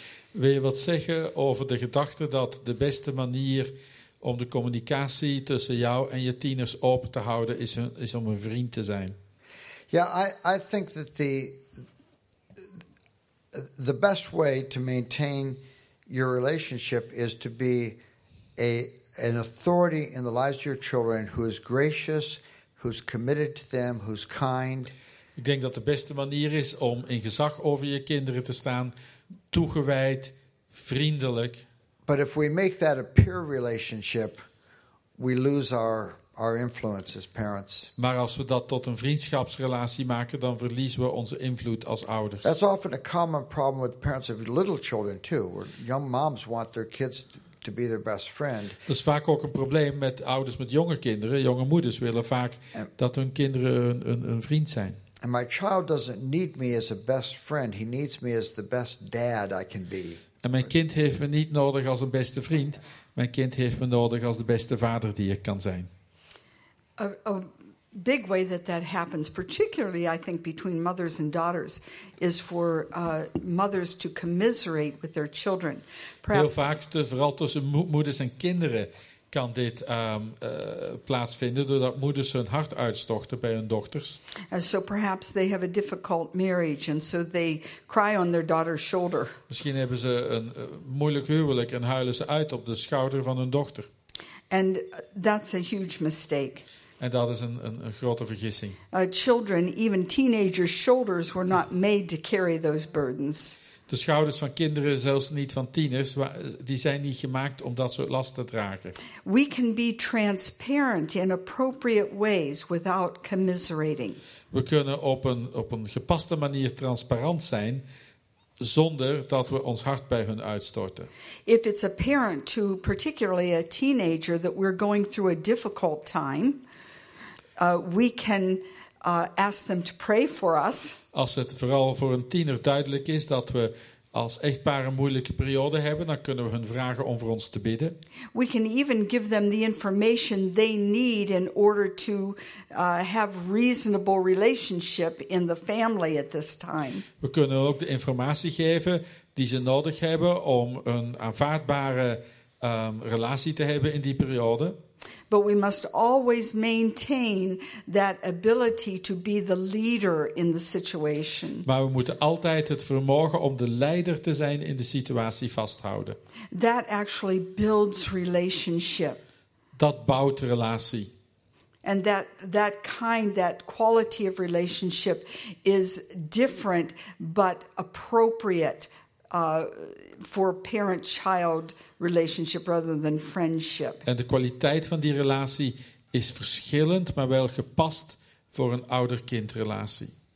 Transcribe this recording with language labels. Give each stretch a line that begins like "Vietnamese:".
Dutch: Wil je wat zeggen over de gedachte dat de beste manier om de communicatie tussen jou en je tieners open te houden is om een vriend te zijn?
English: Ja, I think that the the best way to maintain your relationship is to be an authority in the lives of your children who is gracious, who's committed to them, who's kind.
Dutch: Ik denk dat de beste manier is om in gezag over je kinderen te staan, toegewijd, vriendelijk.
English: But if we make that a peer relationship, we lose our influence as parents.
Dutch: Maar als we dat tot een vriendschapsrelatie maken, dan verliezen we onze invloed als ouders.
English: That's often a common problem with parents of little children too, where young moms want their kids to be their best friend.
Dutch: Dat is vaak ook een probleem met ouders met jonge kinderen. Jonge moeders willen vaak dat hun kinderen een vriend zijn.
English: And my child doesn't need me as a best friend. He needs me as the best dad I can be.
Dutch: En mijn kind heeft me niet nodig als een beste vriend. Mijn kind heeft me nodig als de beste vader die ik kan zijn.
English: A big way that happens, particularly I think between mothers and daughters, is for mothers to commiserate with their children. Perhaps...
Dutch: Heel vaak, vooral tussen moeders en kinderen, kan dit plaatsvinden doordat moeders hun hart uitstorten bij hun dochters.
English: And so perhaps they have a difficult marriage and so they cry on their daughter's shoulder.
Dutch: Misschien hebben ze een moeilijk huwelijk en huilen ze uit op de schouder van hun dochter.
English: And that's a huge mistake.
Dutch: En dat is een grote vergissing.
English: Children, even teenagers' shoulders were not made to carry those burdens.
Dutch: De schouders van kinderen, zelfs niet van tieners, die zijn niet gemaakt om dat soort last te dragen.
English: We can be transparent in appropriate ways without commiserating.
Dutch: We kunnen op een gepaste manier transparant zijn zonder dat we ons hart bij hun uitstorten.
English: If it's apparent to particularly a teenager that we're going through a difficult time, we can ask them to pray for us.
Dutch: Als het vooral voor een tiener duidelijk is dat we als echtpaar een moeilijke periode hebben, dan kunnen we hun vragen om voor ons te bidden.
English: We can even give them the information they need in order to have reasonable relationship in the family at this time.
Dutch: We kunnen ook de informatie geven die ze nodig hebben om een aanvaardbare relatie te hebben in die periode.
English: But we must always maintain that ability to be the leader in the situation.
Dutch: Maar we moeten altijd het vermogen om de leider te zijn in de situatie vasthouden.
English: That actually builds relationship.
Dutch: Dat bouwt relatie.
English: And that kind, that quality of relationship is different but appropriate for parent-child relationship rather than friendship.
Dutch: En de kwaliteit van die relatie is verschillend, maar wel gepast voor een ouder-kind relatie.